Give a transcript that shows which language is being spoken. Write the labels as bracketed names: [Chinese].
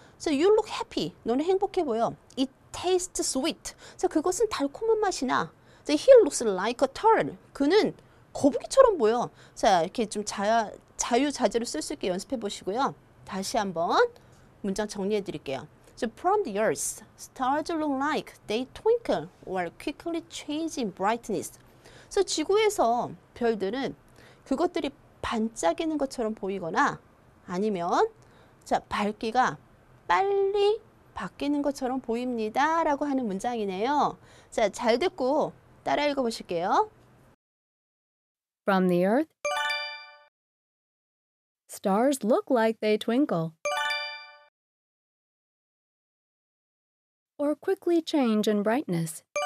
[English] So you look happy. [Korean] 너는 행복해 보여. [English] It tastes sweet. [Korean] 자, 그것은 달콤한 맛이 나. [English] 자, he looks like a turtle. [Korean] 그는 거북이처럼 보여. 자, 이렇게 좀 자유자재로 쓸 수 있게 연습해 보시고요. 다시 한번 문장 정리해 드릴게요. [English] So from the earth, stars look like they twinkle or quickly change in brightness. [Korean] 그래서 지구에서 별들은 그것들이 반짝이는 것처럼 보이거나 아니면 자 밝기가 빨리 바뀌는 것처럼 보입니다. 라고 하는 문장이네요. 자, 잘 듣고 따라 읽어 보실게요. [English] From the earth, stars look like they twinkle or quickly change in brightness.